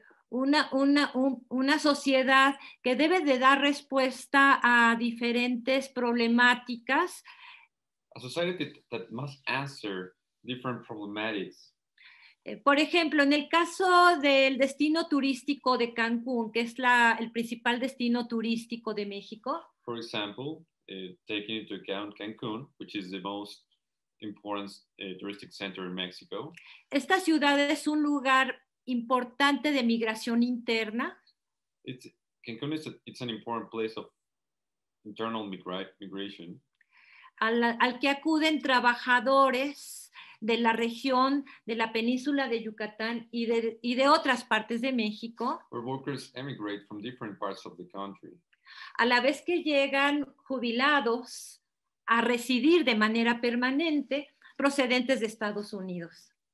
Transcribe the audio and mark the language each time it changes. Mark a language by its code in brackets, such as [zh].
[es] Una sociedad que debe de dar respuesta a diferentes problemáticas. [en] A society that must answer different problematics. [es] Por ejemplo, en el caso del destino turístico de Cancún, que es el principal destino turístico de México. [en] For example, taking into account Cancún, which is the most important touristic center in Mexico. [es] Esta ciudad es un lugar importante de migración interna. [en] It's an important place of internal migration. [es] Al que acuden trabajadores de la región de la península de Yucatán y de otras partes de México. [en] Where workers emigrate from different parts of the country. [es] A la vez que llegan jubilados a residir de manera permanente procedentes de Estados Unidos.